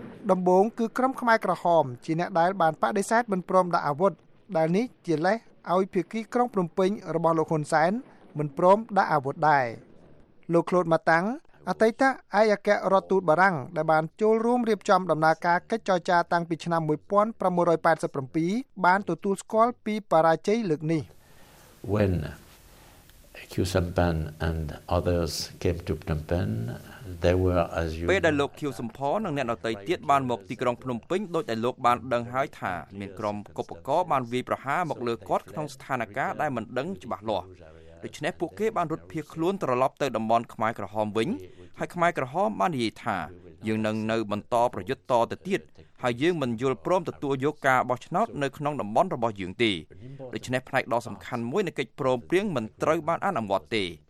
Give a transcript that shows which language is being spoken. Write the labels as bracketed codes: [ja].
[km] ដំបូងគឺក្រុមខ្មែរក្រហមជាអ្នកដែលបានបដិសេធមិនព្រមដាក់អាវុធដែលនេះជាលេសឲ្យភាគីក្រុងព្រំពេញរបស់លោកហ៊ុនសែនមិនព្រមដាក់អាវុធដែរលោកឃ្លូតម៉ាតាំងអតីតឯកអគ្គរដ្ឋទូតបារាំងដែលបានចូលរួមរៀបចំដំណើរការកិច្ចចរចាតាំងពីឆ្នាំ1987បានទទួលស្គាល់ពីបរាជ័យលើកនេះ [en] When Khieu Samphan and others came to Phnom Penh they were as you [km] ពេលដែលលោកខៀវសំផននិងអ្នកដទៃទៀតបានមកទីក្រុងភ្នំពេញដោយតែលោកបានដឹងហើយថាមានក្រុមកុបកោបានវាយប្រហារមកលើគាត់ក្នុងស្ថានភាពដែលមិនដឹងច្បាស់លាស់ដូច្នេះពួកគេបានរត់ភៀសខ្លួនត្រឡប់ទៅតំបន់ខ្មែរក្រហមវិញហើយខ្មែរក្រហមបាននិយាយថាយើងនឹងនៅបន្តប្រយុទ្ធតទៅទៀតហើយយើងមិនយល់ព្រមទទួលយកការបោះឆ្នោតនៅក្នុងតំបន់របស់យើងទេដូច្នេះផ្នែកដ៏សំខាន់មួយនៃកិច្ចព្រមព្រៀងមិនត្រូវបានអនុវត្តទេ